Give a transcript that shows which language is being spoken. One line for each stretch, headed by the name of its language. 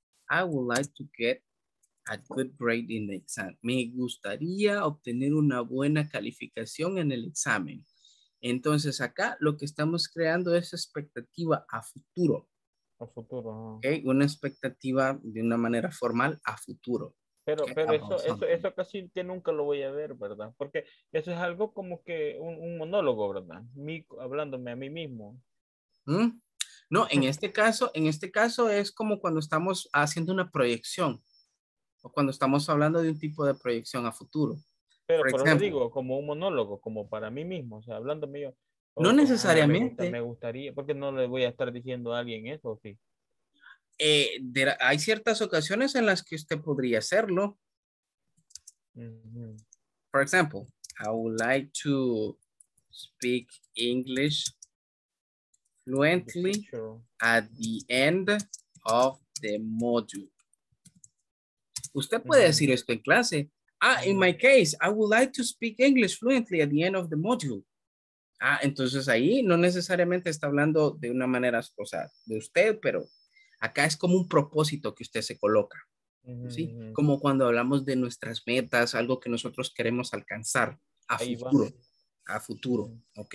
English: I would like to get a good grade in the exam.
Spanish: Me gustaría obtener una buena calificación en el examen. Entonces acá lo que estamos creando es expectativa a futuro. A futuro. Okay, una expectativa de una manera formal a futuro. Pero eso casi que nunca lo voy a ver, ¿verdad? Porque eso es algo como que un monólogo, ¿verdad? Mí, hablándome a mí mismo. ¿Mm? No, en este caso es como cuando estamos haciendo una proyección. O cuando estamos hablando de un tipo de proyección a futuro. Pero por ejemplo, eso digo, como un monólogo, como para mí mismo, o sea, hablándome yo. No necesariamente. Me gustaría, porque no le voy a estar diciendo a alguien eso, sí. Hay ciertas ocasiones en las que usted podría hacerlo. Mm-hmm.
English: For example, I would like to speak English fluently at the end of the module.
Spanish: Usted puede
English: mm-hmm.
Spanish: decir esto en clase.
English: Ah, mm-hmm. in my case, I would like to speak English fluently at the end of the module.
Spanish: Ah, entonces ahí no necesariamente está hablando de una manera, o sea, de usted, pero acá es como un propósito que usted se coloca, ¿sí? Uh-huh. Como cuando hablamos de nuestras metas, algo que nosotros queremos alcanzar a futuro, ¿ok?